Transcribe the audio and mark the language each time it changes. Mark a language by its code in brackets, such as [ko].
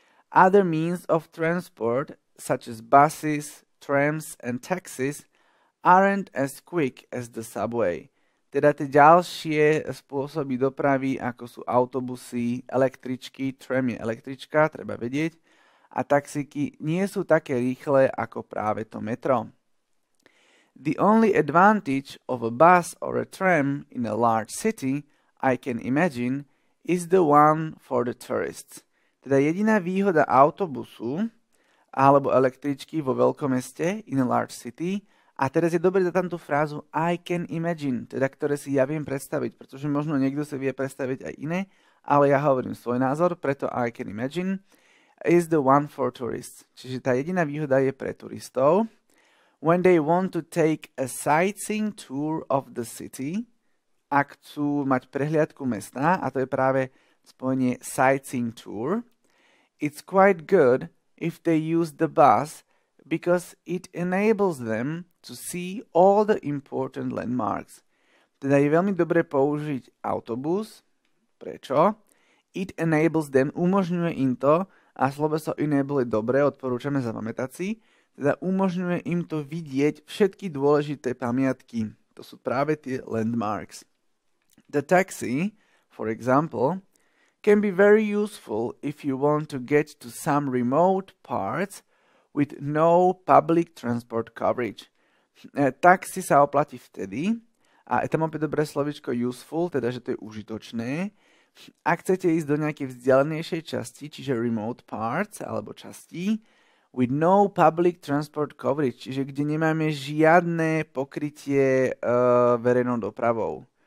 [en] Other means of transport, such as buses, trams and taxis, aren't as quick as the subway. [sk] Teda tie ďalšie spôsoby dopravy, ako sú autobusy, električky, tram je električka, treba vedieť, a taxíky nie sú také rýchle ako práve to metro. [en] The only advantage of a bus or a tram in a large city, I can imagine, is the one for the tourists. [sk] Teda jediná výhoda autobusu alebo električky vo veľkom meste [en] in a large city. [sk] A teraz je dobre dať tam tú frázu [en] I can imagine, [sk] teda ktoré si ja viem predstaviť, pretože možno niekto si vie predstaviť aj iné, ale ja hovorím svoj názor, preto [en] I can imagine is the one for tourists. [sk] Čiže tá jediná výhoda je pre turistov. [en] When they want to take a sightseeing tour of the city, [sk] ak chcú mať prehliadku mesta, a to je práve spojenie [en] sightseeing tour, it's quite good if they use the bus because it enables them to see all the important landmarks. [sk] Teda je veľmi dobre použiť autobus. Prečo? [en] It enables them, [sk] umožňuje im to, a sloveso enable je dobre, odporúčame zapamätať si, teda umožňuje im to vidieť všetky dôležité pamiatky. To sú práve tie landmarks. [en] The taxi, for example, can be very useful if you want to get to some remote parts with no public transport coverage. [sk] Taxi sa oplatí vtedy, a je tam opäť dobré slovičko useful, teda že to je užitočné, ak chcete ísť do nejakej vzdialenejšej časti, čiže remote parts, alebo časti, [en] with no public transport coverage, [sk] čiže kde nemáme žiadne pokrytie verejnou dopravou.